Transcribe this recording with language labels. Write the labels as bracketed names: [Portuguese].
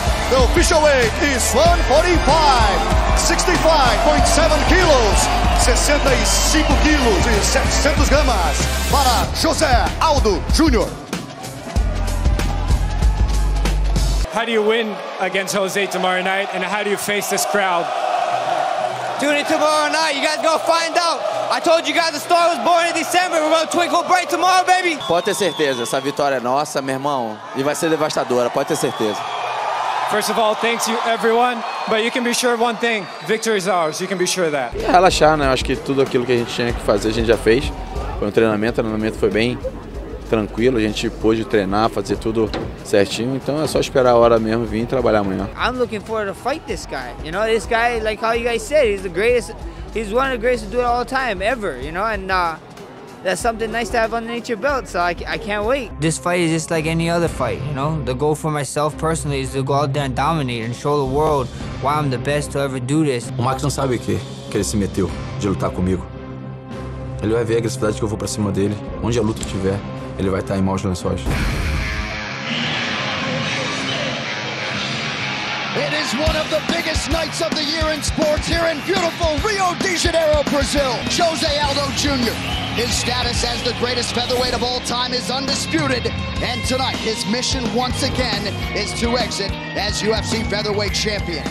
[English] The official weight is 145, 65.7 kilos, [Portuguese] 65 quilos e 700 gramas para [English] José Aldo Jr. How do you win against Jose tomorrow night, and how do you face this crowd? Tune in tomorrow night, you guys go find out. I told you guys the star was born in December, we're gonna twinkle bright tomorrow, baby. [Portuguese] Pode ter certeza, essa vitória é nossa, meu irmão, e vai ser devastadora, pode ter certeza. [English] First of all, thanks you everyone, but you can be sure of one thing, victory is ours, you can be sure of that. [Portuguese] É relaxar, né? Eu acho que tudo aquilo que a gente tinha que fazer, a gente já fez. Foi um treinamento, o treinamento foi bem tranquilo, a gente pôde treinar, fazer tudo certinho, então é só esperar a hora mesmo vir e trabalhar amanhã. [English] I'm looking forward to fight this guy, you know, this guy, like how you guys said, he's the greatest, he's one of the greatest to do it all the time, ever, you know, and that's something nice to have underneath your belt, so I can't wait. This fight is just like any other fight, you know? The goal for myself personally is to go out there and dominate and show the world why I'm the best to ever do this. [Portuguese] O Max não sabe o que que ele se meteu de lutar comigo. Ele vai ver a agressividade que eu vou pra cima dele. Onde a luta estiver, ele vai estar em maus lençóis. [English] It is one of the biggest nights of the year in sports here in beautiful Rio de Janeiro, Brazil. Jose Aldo Jr. His status as the greatest featherweight of all time is undisputed. And tonight, his mission once again is to exit as UFC featherweight champion.